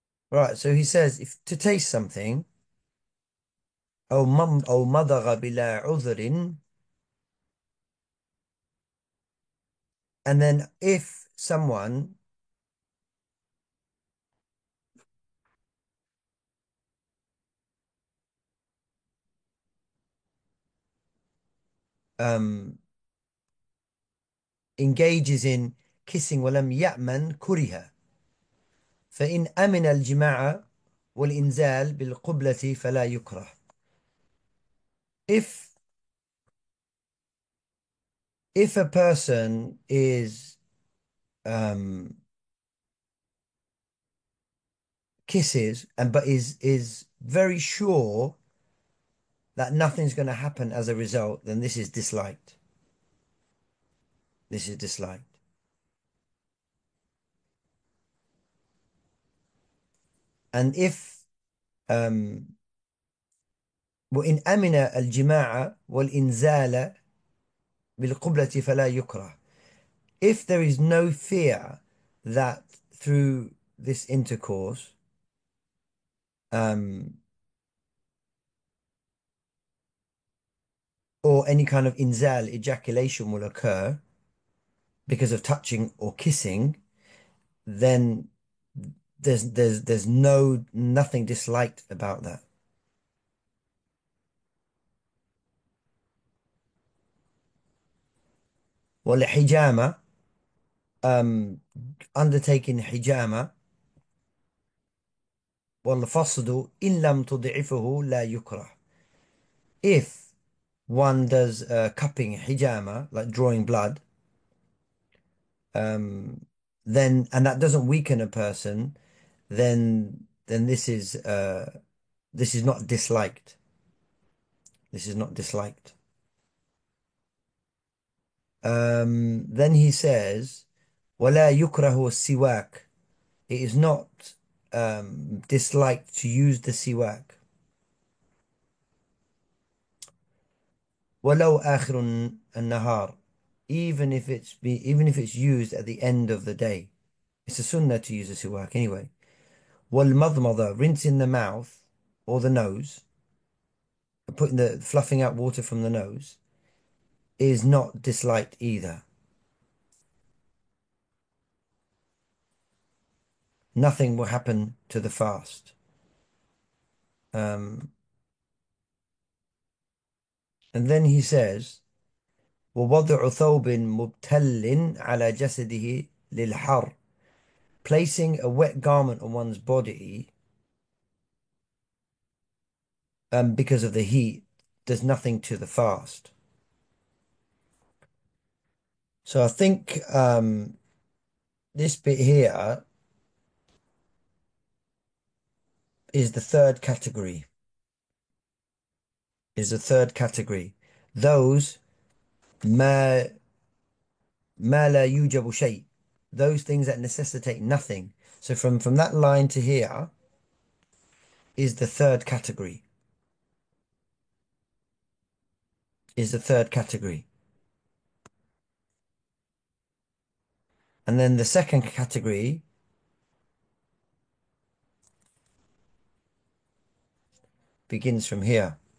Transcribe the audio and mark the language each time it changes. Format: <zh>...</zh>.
<en>Right, so he says, if to taste something,</en> <ar>أو مضغ بلا عذر,</ar> <en>and then if someone engages in kissing,</en> <ar>ولم يأمن كره. فإن أمن الجماع والإنزال بالقبلة فلا يكره.</ar> <en>If a person is kisses and but is very sure that nothing's going to happen as a result, then this is disliked. This is disliked. And if</en> <ar>وإن أمن الجماع والإنزال بالقبلة فلا يكره.</ar> <en>If there is no fear that through this intercourse or any kind of inzal ejaculation will occur because of touching or kissing, then there's no nothing disliked about that. Well, hijama, undertaking hijama,</en> <ar>والفصد إن لم تضعفه لا يكره.</ar> <en>If one does cupping hijama, like drawing blood, then and that doesn't weaken a person, then this is not disliked. This is not disliked. Then he says,</en> <ar>ولا يكره السواك.</ar> <en>It is not disliked to use the سواك.</en> <ar>ولو آخر النهار.</ar> <en>Even if it's used at the end of the day, it's a sunnah to use a سواك anyway. والمضمضة, rinsing the mouth or the nose, putting the fluffing out water from the nose, is not disliked either. Nothing will happen to the fast. And then he says,</en> <ar>"ووضع ثوب مبتل على جسده للحر."</ar> <en>Placing a wet garment on one's body, because of the heat, does nothing to the fast. So I think this bit here is the third category. Is the third category. Those</en> <ar>ما لا يوجب شيء.</ar> <en>Those things that necessitate nothing. So from that line to here is the third category. Is the third category. And then the second category begins from here.</en>